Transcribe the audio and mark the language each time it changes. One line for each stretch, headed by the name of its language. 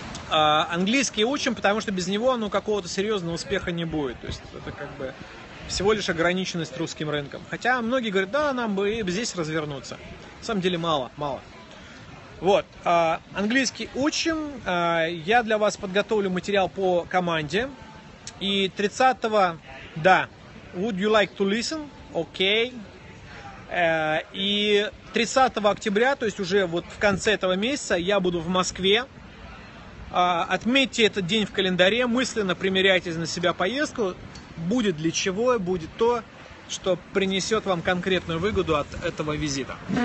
Russian: Английский учим, потому что без него, ну, какого-то серьезного успеха не будет. То есть это как бы всего лишь ограниченность русским рынком. Хотя многие говорят, да, нам бы и здесь развернуться. На самом деле мало, мало. Вот, английский учим. Я для вас подготовлю материал по команде.
English: И 30-го, да, would you like to listen?
Russian: Окей. И 30 октября, то есть уже вот в конце этого месяца, я буду в Москве. Отметьте этот день в календаре, мысленно примеряйтесь на себя поездку. Будет для чего, будет то, что принесет вам конкретную выгоду от этого визита.